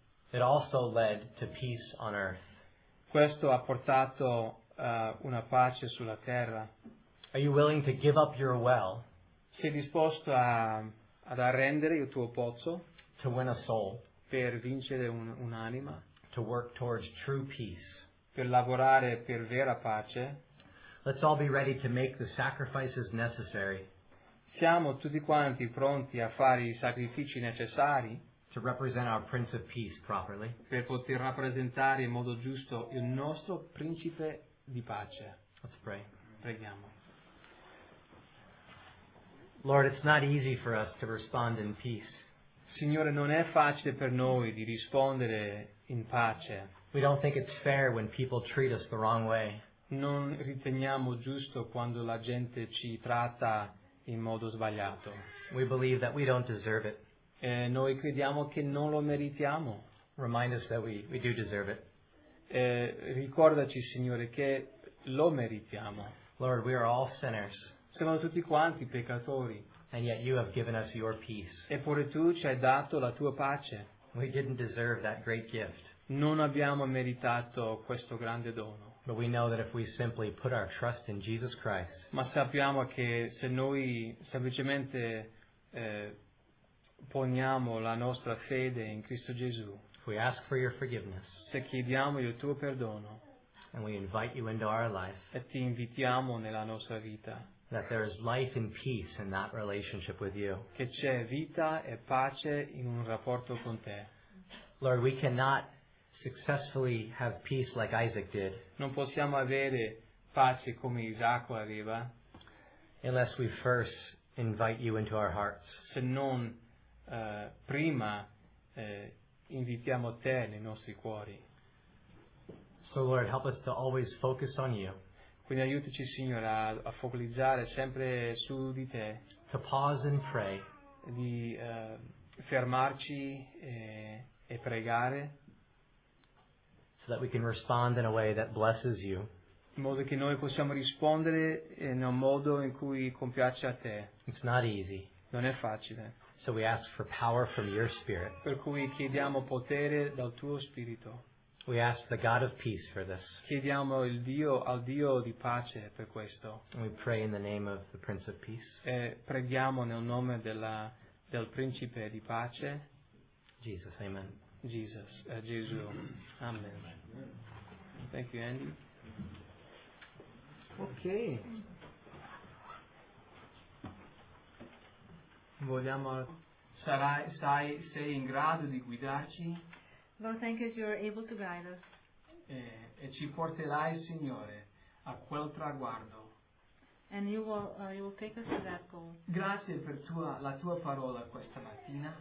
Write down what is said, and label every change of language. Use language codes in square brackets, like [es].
[en] It also led to peace on earth. [it] Questo ha portato una pace sulla terra. [en] Are you willing to give up your well? [it] Sei disposto ad arrendere il tuo pozzo? [en] To win a soul. [it] Per vincere un'anima. [en] To work towards true peace. [it] Per lavorare per vera pace. [en] Let's all be ready to make the sacrifices necessary. [it] Siamo tutti quanti pronti a fare i sacrifici necessari. [en] To represent our Prince of Peace properly. [it] Per poter rappresentare in modo giusto il nostro Principe di pace. [en] Let's pray. [it] Preghiamo. [en] Lord, it's not easy for us to respond in peace. [it] Signore, non è facile per noi di rispondere in pace. [en] We don't think it's fair when people treat us the wrong way. [it] Non riteniamo giusto quando la gente ci tratta in modo sbagliato. [en] We believe that we don't deserve it. [it] E noi crediamo che non lo meritiamo. [en] Remind us that we do deserve it. [it] E ricordaci, Signore, che lo meritiamo. [en] Lord, we are all sinners. [it] Siamo tutti quanti peccatori. [en] And yet you have given us your peace. [it] Eppure tu ci hai dato la tua pace. [en] We didn't deserve that great gift. [it] Non abbiamo meritato questo grande dono. [en] But we know that if we simply put our trust in Jesus Christ. [it] Ma sappiamo che se noi semplicemente poniamo la nostra fede in Cristo Gesù. [en] If we ask for your forgiveness. [it] Se chiediamo il tuo perdono. [en] And we invite you into our life. [it] E ti invitiamo nella nostra vita. [en] That there is life and peace in that relationship with you. [it] Che c'è vita e pace in un rapporto con te. [en] Lord, we cannot successfully have peace like Isaac did. [it] Non possiamo avere pace come Isacco aveva. [en] Unless we first invite you into our hearts. [it] Se non prima invitiamo te nei nostri cuori. [en] So Lord, help us to always focus on you. [it] Quindi aiutaci, Signore, a focalizzare sempre su di te. [en] To pause and pray. [it] Di fermarci e pregare. [en] So that we can respond in a way that blesses you. [it] In modo che noi possiamo rispondere in un modo in cui compiace a te. [en] It's not easy. [it] Non è facile. [en] So we ask for power from your spirit. [it] Per cui chiediamo potere dal tuo spirito. [en] We ask the God of peace for this. [it] Chiediamo il Dio, al Dio di pace per questo. [en] We pray in the name of the Prince of Peace. [it] E preghiamo nel nome del Principe di pace. [en] Jesus, amen. Jesus, Gesù. Amen. Thank you, Andy. Okay. [it] Vogliamo, sei in grado di guidarci? [en] Lord, thank you, you are able to guide us. [it] E ci porterai, Signore, a quel traguardo. [en] And you will take us to that goal. [it] Grazie per la tua parola questa mattina.